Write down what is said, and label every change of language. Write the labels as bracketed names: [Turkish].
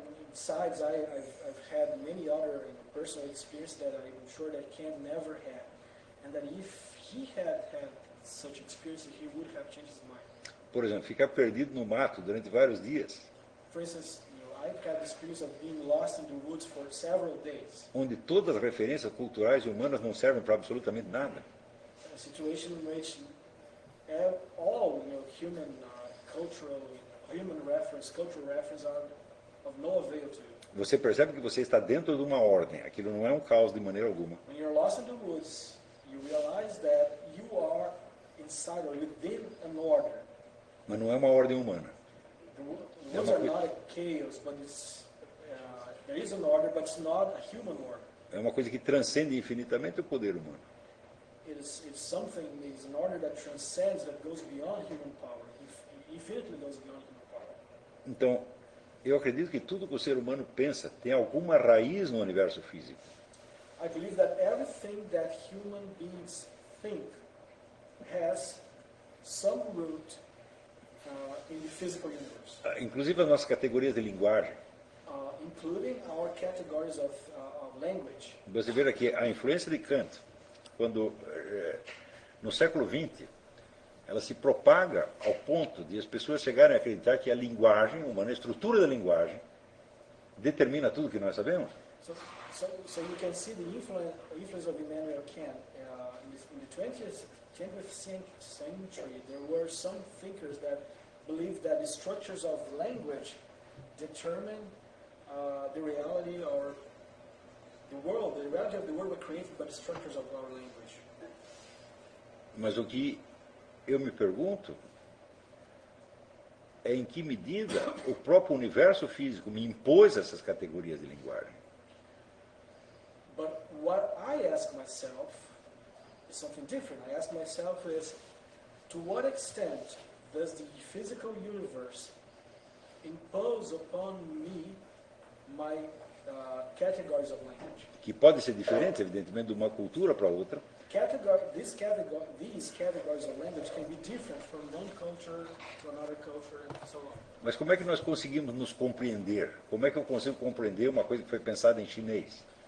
[English] Besides, I've had many other personal experiences that I'm sure that Kant never had. And that if he had had such experience, he would have changed his mind. [Portuguese] Por exemplo, ficar perdido no mato durante vários dias. [English] For instance, you know, I've had the experience of being lost in the woods for several days. [Portuguese] Onde todas as referências culturais e humanas não servem para absolutamente nada. [English] A situation in which all, you know, human cultural, human reference, cultural reference are of no avail to you. [Portuguese] Você percebe que você está dentro de uma ordem. Aquilo não é um caos de maneira alguma. [English] When you're lost in the woods, you realize that you are inside or within an order. [Portuguese] Mas não é uma ordem humana. [English] The woods are not a chaos, but it's there is an order, but it's not a human order. [Portuguese] É uma coisa que transcende infinitamente o poder humano. [English] It's something, it's an order that transcends, that goes beyond human power, infinitely goes beyond human power. [Portuguese] Então, eu acredito que tudo que o ser humano pensa tem alguma raiz no universo físico. [English] I believe that everything that human beings think has some root in the physical universe. [Portuguese] Inclusive as nossas categorias de linguagem. [English] Including our categories of language. [Portuguese] Você vê aqui a influência de Kant. Quando, no século XX, ela se propaga ao ponto de as pessoas chegarem a acreditar que a linguagem, uma estrutura da linguagem, determina tudo o que nós sabemos. [English] So you can see the influence of Immanuel Kant. In the 20th century, there were some thinkers that believed that the structures of language determine the reality or the world, the reality of the world were created by the structures of our language. [Portuguese] Mas o que eu me pergunto é em que medida o próprio universo físico me impôs essas categorias de linguagem. [English] But what I ask myself is something different. I ask myself is, to what extent does the physical universe impose upon me my categories of language. [Portuguese] Que pode ser diferente, evidentemente, de uma cultura para outra. [English] These categories of language can be different from one culture to another culture and so on. [Portuguese] Mas como é que nós conseguimos nos compreender? Como é que eu consigo compreender uma coisa que foi pensada em chinês?